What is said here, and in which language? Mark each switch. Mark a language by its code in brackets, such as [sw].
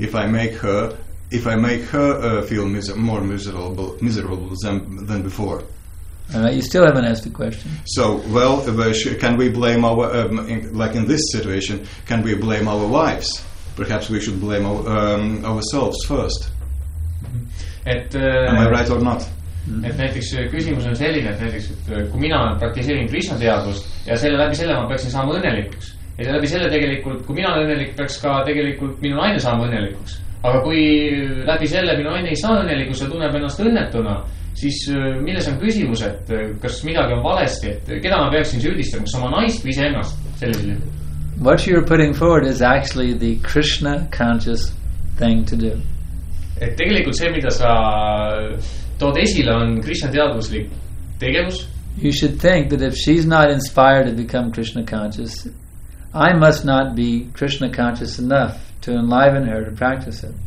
[en] If I make her feel more miserable than before. You still haven't asked the question. So, well, can we blame our, like in this situation, can we blame our wives? Perhaps we should blame ourselves first. [et] Et, [en] am I right or not? Mm-hmm. [et] Et näiteks küsimus on selline, et näiteks, et kui mina olen praktiseerin Krishna teadust ja selle läbi selle ma peaksin saama õnnelikuks. Ja läbi selle tegelikult, kui mina olen õnnelik, peaks ka tegelikult minu naine saama õnnelikuks. Aga kui läbi selle minu naine ei saa õnnelikuks ja tunneb ennast õnnetuna, siis milles on küsimus, et kas midagi on valesti, et keda ma peaksin süüdistama, kas oma naist või ise ennast sellisele? [en] What you're putting forward is actually the Krishna conscious thing to do. [et] Et tegelikult see, mida sa tood esile, on Krishna teaduslik tegevus. [en] You should think that if she's not inspired to become Krishna conscious, I must not be Krishna conscious enough to enliven her to practice it.